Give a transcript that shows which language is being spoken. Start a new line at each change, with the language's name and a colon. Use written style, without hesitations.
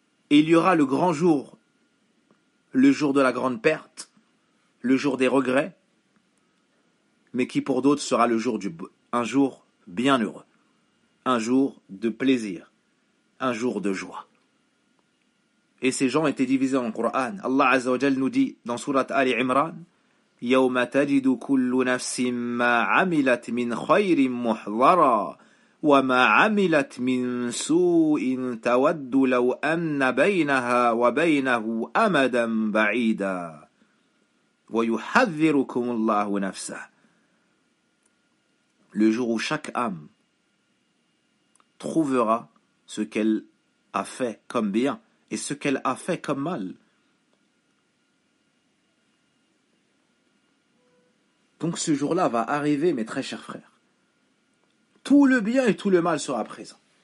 French: Et il y aura le grand jour, le jour de la grande perte, le jour des regrets, mais qui pour d'autres sera le jour un jour bienheureux, un jour de plaisir, un jour de joie. Et ces gens étaient divisés en Coran. Allah Azza wa Jal nous dit dans Sourate Ali Imran,
Arabic: يَوْمَ تَجِدُ كُلُّ نَفْسٍ مَا عَمِلَتْ مِنْ خَيْرٍ مُحْضَرًا وَمَا عَمِلَتْ مِنْ سُوءٍ تَوَدُّ لَوْ أَنَّ بَيْنَهَا وَبَيْنَهُ أَمَدًا بَعِيدًا وَيُحَذِّرُكُمُ اللَّهُ نَفْسَهُ.
French: Le jour où chaque âme trouvera ce qu'elle a fait comme bien et ce qu'elle a fait comme mal. Donc ce jour-là va arriver, mes très chers frères. Tout le bien et tout le mal sera présent.